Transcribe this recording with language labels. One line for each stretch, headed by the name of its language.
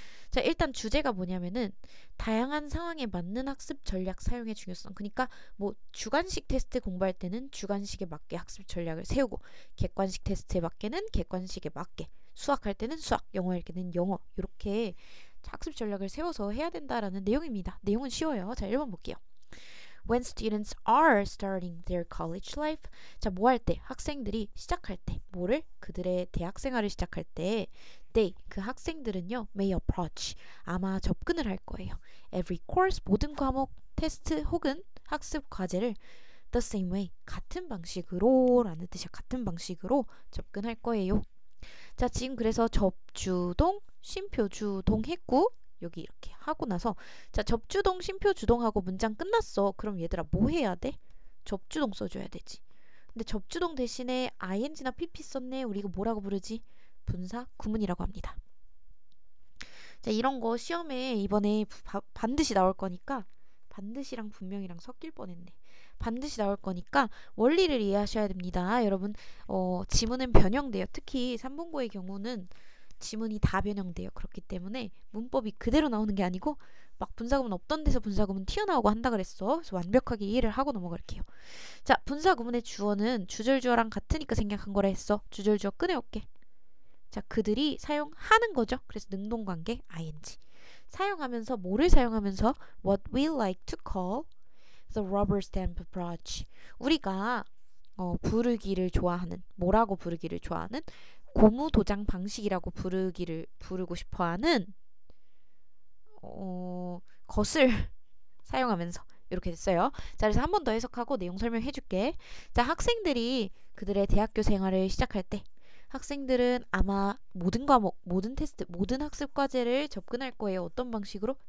Korean: 자, 일단 주제가 뭐냐면은 다양한 상황에 맞는 학습 전략 사용의 중요성. 그러니까 뭐 주관식 테스트 공부할 때는 주관식에 맞게 학습 전략을 세우고, 객관식 테스트에 맞게는 객관식에 맞게, 수학할 때는 수학, 영어할 때는 영어, 이렇게 학습 전략을 세워서 해야 된다라는 내용입니다. 내용은 쉬워요. 자, 1번 볼게요.
English: When students are starting their college life.
Korean: 자, 뭐할 때? 학생들이 시작할 때. 뭐를? 그들의 대학 생활을 시작할 때.
English: They,
Korean: 그 학생들은요,
English: may approach.
Korean: 아마 접근을 할 거예요.
English: Every course,
Korean: 모든 과목, 테스트 혹은 학습 과제를
English: the same way,
Korean: 같은 방식으로라는 뜻이야. 같은 방식으로 접근할 거예요. 자, 지금 그래서 접주동, 쉼표 주동 했고, 여기 이렇게 하고 나서, 자, 접주동, 쉼표 주동하고 문장 끝났어. 그럼 얘들아, 뭐 해야 돼? 접주동 써줘야 되지. 근데 접주동 대신에 ing나 pp 썼네. 우리 이거 뭐라고 부르지? 분사 구문이라고 합니다. 자, 이런 거 시험에 이번에 반드시 나올 거니까, 반드시랑 분명이랑 섞일 뻔했네. 반드시 나올 거니까 원리를 이해하셔야 됩니다. 여러분, 지문은 변형돼요. 특히 3분고의 경우는 지문이 다 변형돼요. 그렇기 때문에 문법이 그대로 나오는 게 아니고 막 분사구문 없던 데서 분사구문 튀어나오고 한다 그랬어. 그래서 완벽하게 이해를 하고 넘어갈게요. 자, 분사구문의 주어는 주절주어랑 같으니까 생략한 거라 했어. 주절주어 끊어올게. 자, 그들이 사용하는 거죠. 그래서 능동관계 ing. 사용하면서 뭐를 사용하면서
English: what we like to call the rubber stamp approach.
Korean: 우리가 부르기를 좋아하는, 뭐라고 부르기를 좋아하는? 고무 도장 방식이라고 부르고 싶어하는 것을 사용하면서 이렇게 됐어요. 자, 그래서 한번더 해석하고 내용 설명해 줄게. 자, 학생들이 그들의 대학교 생활을 시작할 때 학생들은 아마 모든 과목, 모든 테스트, 모든 학습 과제를 접근할 거예요. 어떤 방식으로?